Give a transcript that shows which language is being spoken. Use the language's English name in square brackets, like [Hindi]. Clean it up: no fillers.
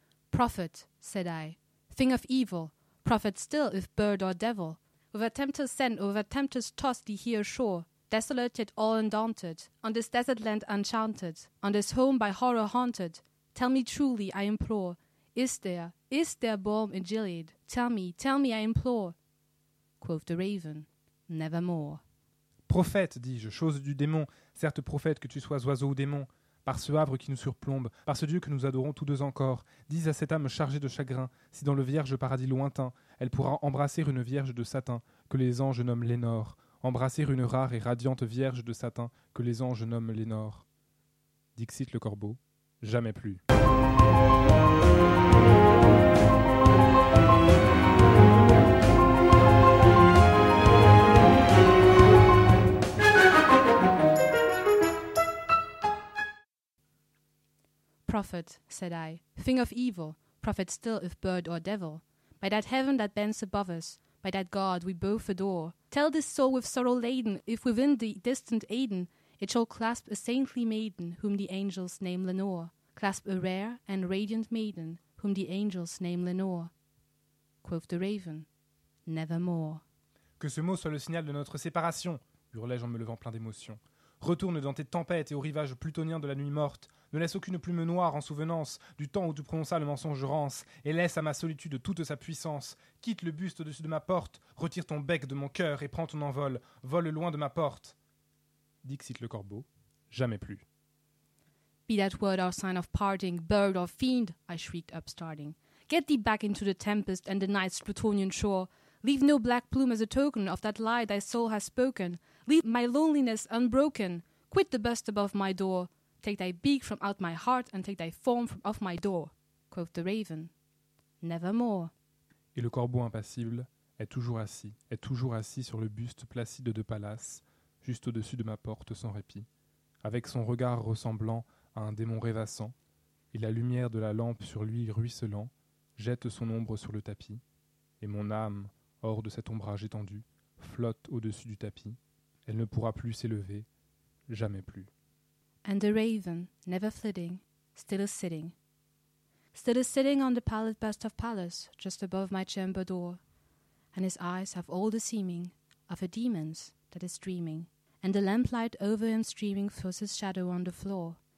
[English] Prophet, said I, thing of evil, prophet still if bird or devil, with a tempter's send or with a tempter's toss thee here ashore, desolate yet all undaunted, on this desert land enchanted, on this home by horror haunted, tell me truly, I implore, is there balm in Gilead? Tell me, I implore. Quoth the raven, nevermore. [French] Prophète, dis-je, chose du démon, certes prophète que tu sois oiseau ou démon, par ce havre qui nous surplombe, par ce Dieu que nous adorons tous deux encore, dis à cette âme chargée de chagrin, si dans le vierge paradis lointain, elle pourra embrasser une vierge de satin, que les anges nomment Lénore, embrasser une rare et radiante vierge de satin, que les anges nomment Lénore. Dixit le corbeau, jamais plus. [English] Prophet, said I, thing of evil, prophet still if bird or devil, by that heaven that bends above us, by that God we both adore, tell this soul with sorrow laden, if within the distant Aden it shall clasp a saintly maiden whom the angels name Lenore, clasp a rare and radiant maiden whom the angels name Lenore. Quoth the raven, nevermore. [French] Que ce mot soit le signal de notre séparation, hurlai-je en me levant plein d'émotion. Retourne dans tes tempêtes et aux rivages plutoniens de la nuit morte. Ne laisse aucune plume noire en souvenance du temps où tu prononças le mensonge rance et laisse à ma solitude toute sa puissance. Quitte le buste au-dessus de ma porte, retire ton bec de mon cœur et prends ton envol. Vole loin de ma porte. Dixit le corbeau, jamais plus. [English] Be that word our sign of parting, bird or fiend, I shrieked upstarting. Get thee back into the tempest and the night's plutonian shore. Leave no black plume as a token of that lie thy soul has spoken. Leave my loneliness unbroken. Quit the bust above my door. Take thy beak from out my heart and take thy form from off my door. Quoth the raven, nevermore. [French] Et le corbeau impassible est toujours assis sur le buste placide de Pallas, juste au-dessus de ma porte sans répit. Avec son regard ressemblant à un démon rêvassant, et la lumière de la lampe sur lui ruisselant, jette son ombre sur le tapis, et mon âme, hors de cet ombrage étendu, flotte au-dessus du tapis. Elle ne pourra plus s'élever, jamais plus. [English] And the raven, never flitting, still is sitting. Still is sitting on the pallid bust of Pallas, just above my chamber door. And his eyes have all the seeming of a demon's that is dreaming. And the lamplight over him streaming throws his shadow on the floor.